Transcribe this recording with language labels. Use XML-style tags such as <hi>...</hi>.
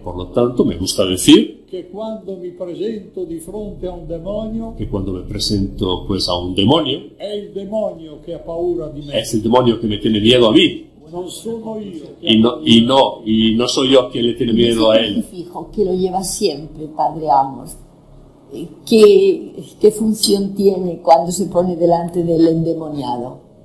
<es>por lo tanto, me gusta decir que cuando me presento</es> <it>di fronte a un demonio,</it> <es>que cuando me presento pues a un demonio,</es> <it>è il demonio che ha paura di me.</it> <es>Es el demonio que me tiene miedo a mí.</es> <it>Non sono io</it> <es>y no soy yo quien le tiene miedo a él. Fijo que lo lleva siempre, Padre Amor. ¿Qué función tiene cuando se pone delante del endemoniado?</es>